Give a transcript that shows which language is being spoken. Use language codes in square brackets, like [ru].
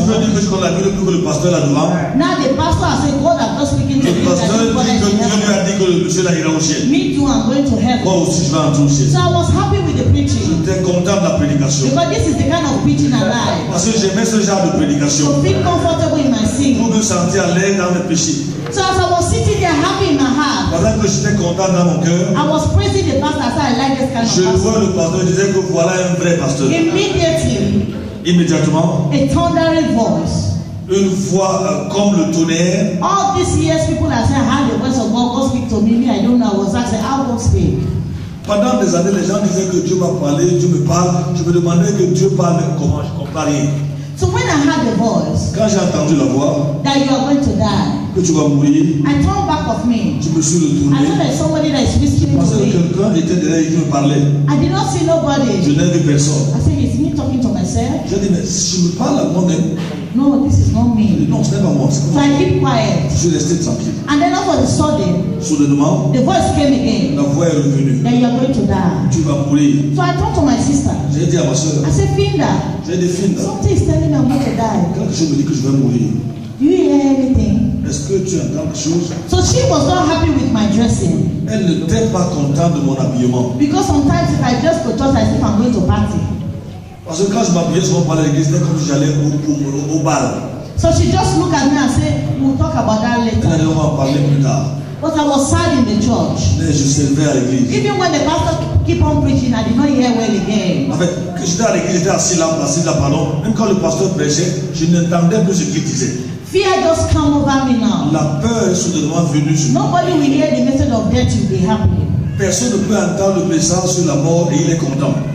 [fr] Tu veux dire que je connais la Bible plus que le pasteur là devant? [en] Now the pastor has said God has just spoken to [fr] me. Le pasteur dit que Dieu lui a dit que le monsieur là ira au ciel. [en] Me too, I'm going to heaven. [fr] Moi aussi je vais entrer au ciel. [en] So I was happy with the preaching. [fr] J'étais content de la prédication. [en] Because this is the kind of preaching I like. [fr] Parce que j'aimais ce genre de prédication. [en] To feel comfortable in my sin. [fr] Pour me sentir à l'aise dans mes péchés. [en] So as I was sitting there happy in my heart, [fr] pendant que j'étais content dans mon cœur, [en] I was praising the pastor. I said, I like this kind [fr] je [en] of pastor. [fr] Je vois le pasteur, je disais que voilà un vrai pasteur. [en] Immediately, a thundering voice, [fr] une voix comme le tonnerre. [en] All these years, people have said, how the voice of God will speak to me. I don't know. I was asking, how God speak? [fr] Pendant des années, les gens disaient que Dieu m'a parlé, Dieu me parle. Je me demandais que Dieu parle, comment je compare. [en] So when I heard the voice, [fr] quand j'ai entendu la voix, [en] that you are going to die. [fr] Que tu vas mourir. [en] I turned back of me. [fr] Je me suis retourné. [en] I thought there's somebody that is whispering to me. [fr] Parce que quelqu'un était derrière qui me parlait. [en] I did not see nobody. [fr] Je n'ai vu personne. [en] I said, it's me talking to myself. [fr] Je dis mais si je me parle à moi-même. [en] No, this is not me. [fr] Dis, non, ce n'est pas moi. [en] So I keep quiet. [fr] Je suis resté tranquille. [en] And then all of a sudden. [fr] Soudainement. [en] The voice came again. [fr] La voix est revenue. [en] Then you are going to die. [fr] Tu vas mourir. [en] So I turned to my sister. [fr] J'ai dit à ma soeur. [en] I said, Finda. [fr] J'ai dit Finda. [en] Something is telling me I'm going to die. [fr] Quand je me dis que je vais mourir. [en] Do you hear anything? [fr] est-ce que tu as quelque chose? [en] So she was not happy with my dressing. [fr] Elle n'était pas contente de mon habillement. [en] Because sometimes if I just go to church, I think I'm going to party. [fr] Parce que quand je m'habillais, je m'appelais à l'église, c'était comme si j'allais au bal. [en] So she just looked at me and said, we'll talk about that later. [fr] Elle allait en parler plus tard. [en] But I was sad in the church. [fr] Mais je servais à l'église. [en] Even when the pastor keep on preaching, I did not hear well again. [fr] En fait, quand j'étais à l'église, j'étais assis là, passé la parole. Même quand le pasteur prêchait, je n'entendais plus ce qu'il disait. [en] Fear just come over me now. [fr] La peur est soudainement venue sur moi. [en] Nobody will hear the message of death, you'll be happy. [fr] Personne ne peut entendre le message sur la mort et il est content.